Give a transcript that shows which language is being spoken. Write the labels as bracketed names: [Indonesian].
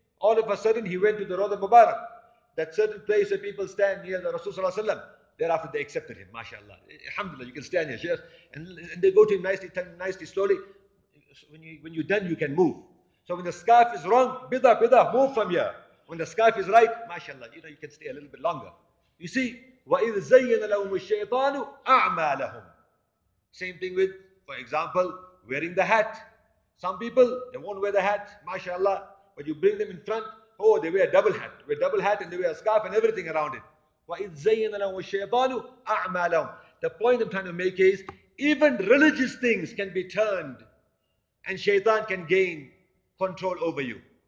[English] All of a sudden, he went to the Rawdah Mubarak, that certain place where people stand near the Rasulullah. Thereafter, they accepted him, mashallah. Alhamdulillah, you can stand here, Shaykh. And they go to him nicely, nicely, slowly. When you're done, you can move. So when the scarf is wrong, bidah, bidah, move from here. When the scarf is right, mashallah, you know, you can stay a little bit longer. You see, [Arabic] وَإِذْ زَيَّنَ لَهُمُ الشَّيْطَانُ أَعْمَالَهُمْ. [English] Same thing with, for example, wearing the hat. Some people, they won't wear the hat, mashallah, but you bring them in front, oh, they wear a double hat. They wear a double hat and they wear a scarf and everything around it. [Arabic] وَإِذْ زَيَّنَ لَهُمُ الشَّيْطَانُ أَعْمَالَهُمْ. [English] The point I'm trying to make is, even religious things can be turned and shaitan can gain control over you.